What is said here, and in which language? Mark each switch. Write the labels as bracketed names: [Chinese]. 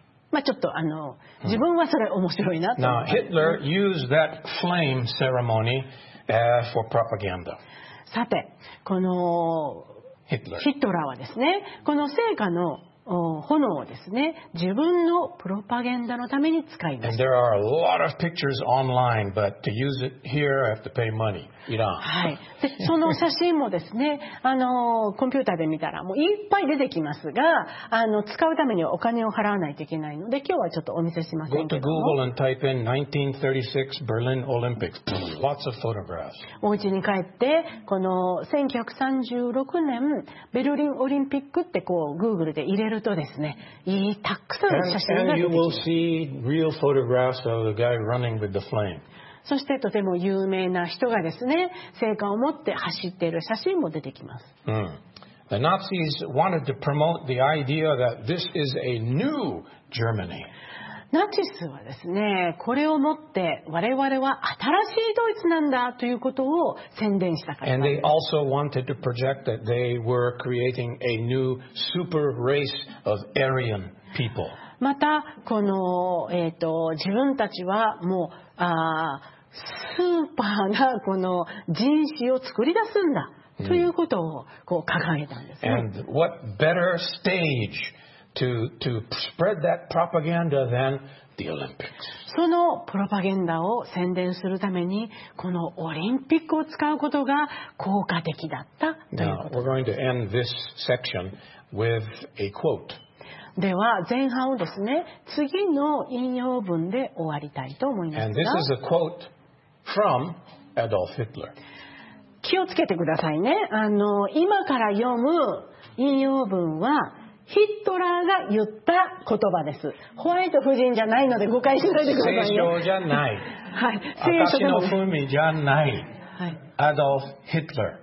[Japanese] まあちょっと自分はそれ面白いなと。 [English] Now Hitler used that flame ceremony for propaganda。 [Japanese] さて、このヒトラーはですね、この聖火の炎をですね、自分のプロパガンダのために使いました。 [English] And there are a lot of pictures online, but to use it here, I have to pay money. You don't. [Japanese] はい。で、その写真もですね、コンピューターで見たらもういっぱい出てきますが、使うためにはお金を払わないといけないので、今日はちょっとお見せしませんけども。 [English] Go to Google and type in 1936 Berlin Olympics. Lots of photographs. [Japanese] お家に帰って、この1936年ベルリンオリンピックってこう Google で入れるとですね、いいたくさんの写真が出てきます。 [English] And you will see real photographs of the guy running with the flame. [Japanese] そしてとても有名な人がですね、聖火を持って走っている写真も出てきます。 [English] The Nazis wanted to promote the idea that this is a new Germany. [Japanese] ナチスはですね、これをもって我々は新しいドイツなんだということを宣伝したかったんです。 [English] And they also wanted to project that they were creating a new super race of Aryan people. [Japanese] またこの、自分たちはもうスーパーなこの人種を作り出すんだということをこう掲げたんですね。 [English] And what better stageto spread that propaganda than the Olympics. [Japanese] そのプロパガンダを宣伝するためにこのオリンピックを使うことが効果的だったということ。 [English] Now, we're going to end this section with a quote. [Japanese] では前半をですね、次の引用文で終わりたいと思いますが。 [English] And this is a quote from Adolf Hitler. [Japanese] 気をつけてくださいね。今から読む引用文はヒットラーが言った言葉です。ホワイト夫人じゃないので誤解しないでくださいね。聖書じゃない、はい、私の踏みじゃない、はい、アドルフ・ヒットラー、